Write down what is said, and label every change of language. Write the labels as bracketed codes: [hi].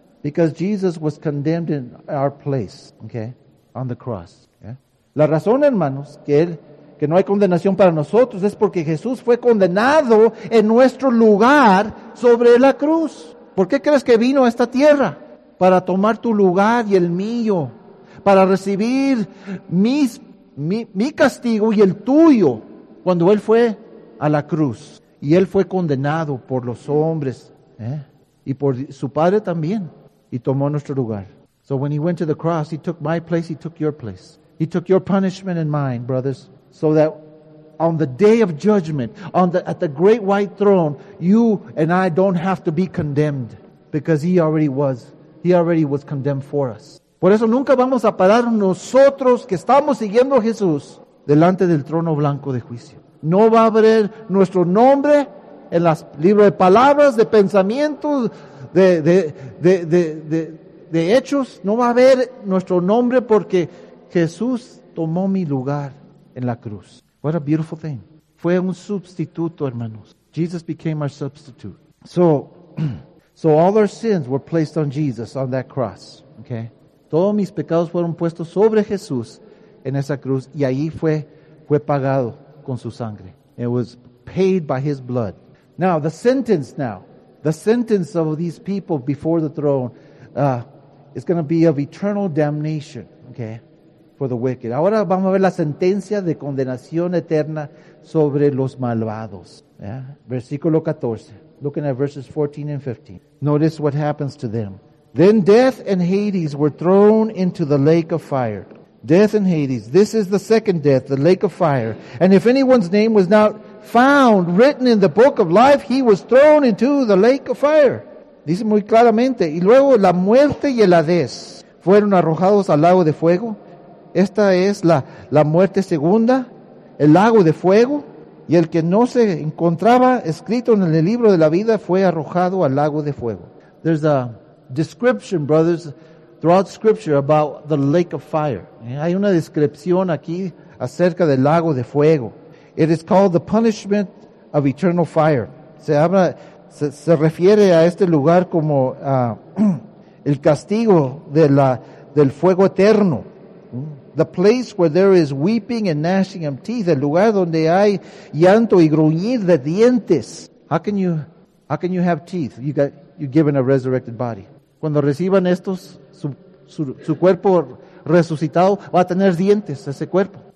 [en] Because Jesus was condemned in our place, okay, on the cross. Yeah? [es] La razón, hermanos, que no hay condenación para nosotros es porque Jesús fue condenado en nuestro lugar sobre la cruz. ¿Por qué crees que vino a esta tierra? Para tomar tu lugar y el mío, para recibir mi castigo y el tuyo cuando Él fue a la cruz. Y Él fue condenado por los hombres, ¿eh? Y por su Padre también. Y tomó nuestro lugar. [en] So when he went to the cross, he took my place, he took your place. He took your punishment and mine, brothers. So that on the day of judgment, at the great white throne, you and I don't have to be condemned. Because he already was condemned for us. [es] Por eso nunca vamos a parar nosotros que estamos siguiendo a Jesús delante del trono blanco de juicio. No va a haber nuestro nombre en las libros de palabras, de pensamientos, de hechos. No va a haber nuestro nombre porque Jesús tomó mi lugar en la cruz. [en] What a beautiful thing. [es] Fue un sustituto, hermanos. [en] Jesus became our substitute. So all our sins were placed on Jesus on that cross. Okay? [es] Todos mis pecados fueron puestos sobre Jesús en esa cruz y ahí fue pagado con su sangre. [en] It was paid by his blood. Now, the sentence of these people before the throne is going to be of eternal damnation, okay, for the wicked. [es] Ahora vamos a ver la sentencia de condenación eterna sobre los malvados. Yeah? [en] Versículo 14, looking at verses 14 and 15. Notice what happens to them. Then death and Hades were thrown into the lake of fire. Death and Hades. This is the second death, the lake of fire. And if anyone's name was not found written in the book of life, he was thrown into the lake of fire. [es] Dice muy claramente. Y luego la muerte y el Hades fueron arrojados al lago de fuego. Esta es la muerte segunda, el lago de fuego. Y el que no se encontraba escrito en el libro de la vida fue arrojado al lago de fuego. [en] There's a description, brothers, throughout scripture about the lake of fire. [es] Hay una descripción aquí acerca del lago de fuego. [en] It is called the punishment of eternal fire. [es] Se refiere a este lugar como el castigo del fuego eterno. [en] The place where there is weeping and gnashing of teeth. [es] El lugar donde hay llanto y gruñir de dientes. [en] How can you have teeth? You're given a resurrected body. [es] Cuando reciban estos, su cuerpo resucitado va a tener dientes, ese cuerpo.